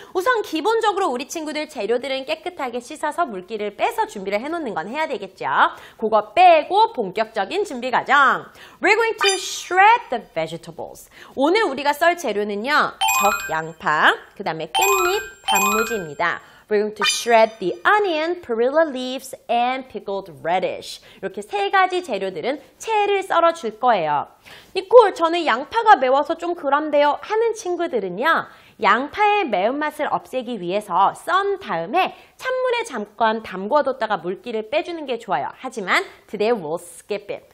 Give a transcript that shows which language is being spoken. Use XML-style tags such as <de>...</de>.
<ko>우선 기본적으로 우리 친구들 재료들은 깨끗하게 씻어서 물기를 빼서 준비를 해놓는 건 해야 되겠죠. 그거 빼고 본격적인 준비 과정.</ko> <en>We're going to shred the vegetables.</en> <ko>오늘 우리가 썰 재료는요, 적 양파, 그 다음에 깻잎, 단무지입니다.</ko> <en>We're going to shred the onion, perilla leaves, and pickled radish.</en> <ko>이렇게 세 가지 재료들은 채를 썰어줄 거예요. 니콜, 저는 양파가 매워서 좀 그런데요 하는 친구들은요. 양파의 매운맛을 없애기 위해서 썬 다음에 찬물에 잠깐 담궈뒀다가 물기를 빼주는 게 좋아요. 하지만</ko> <en>today we'll skip it.</en>